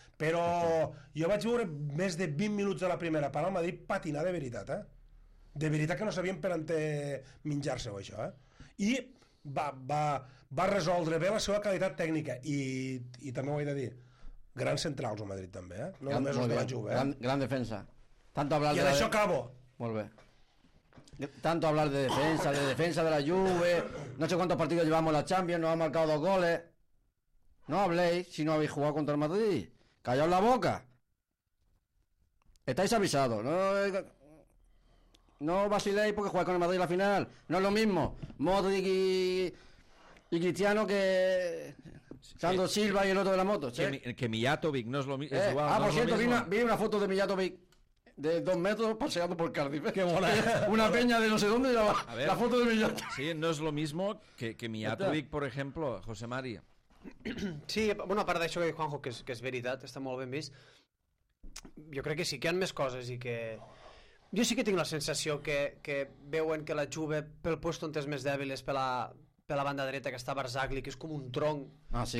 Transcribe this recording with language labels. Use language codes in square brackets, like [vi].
[ca] Però jo vaig veure més de 20 minuts de la primera part al Madrid patinar de veritat, eh? De veritat que no sabien per on menjar-se-ho, això, eh? I va resoldre bé la seva qualitat tècnica. I també ho he de dir, grans centrals al Madrid, també, eh? No només els de la Juve, eh? Gran defensa. Tanto [es] hablar de... [ca] I en això acabo. Molt bé. [es] Tanto hablar de defensa de la Juve, no sé cuántos partidos llevamos la Champions, nos ha marcado 2 goles. No habléis si no habéis jugado contra el Madrid. ¡Callaos la boca! Estáis avisados. No vaciléis porque jugáis con el Madrid en la final. No es lo mismo Modric y Cristiano que Sandro Silva y el otro de la moto. Que Mijatovic no es lo mismo. Por cierto, vi una foto de Mijatovic de 2 metros paseando por Cardiff. Qué mola. Una peña de no sé dónde llevaba. A ver, la foto de Mijatovic. Sí, no es lo mismo que Mijatovic, por ejemplo, José Mari. [ca] Sí, bueno, a part d'això que dic, Juanjo, que és veritat, està molt ben vist. Jo crec que sí que hi ha més coses i que... Jo sí que tinc la sensació que veuen que la Juve, pel post on és més dèbil, és per la banda dreta, que està Barzagli, que és com un tronc. Ah, sí.